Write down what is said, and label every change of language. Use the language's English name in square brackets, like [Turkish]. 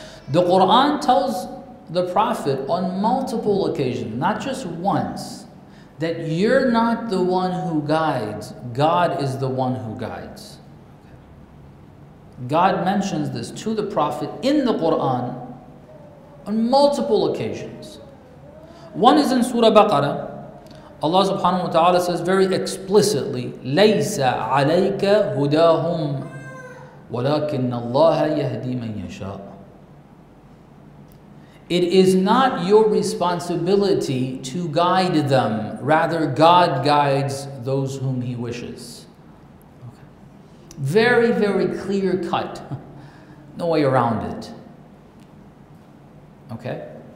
[English] The Quran tells the Prophet on multiple occasions, not just once, that you're not the one who guides, God is the one who guides. God mentions this to the Prophet in the Quran on multiple occasions. One is in Surah Baqarah. Allah subhanahu wa ta'ala says very explicitly, [Arabic] لَيْسَ عَلَيْكَ هُدَاهُمْ وَلَكِنَّ اللَّهَ يَهْدِي مَنْ يَشَاءُ. [English] It is not your responsibility to guide them. Rather, God guides those whom He wishes. Okay. Very, very clear cut. No way around it. Okay?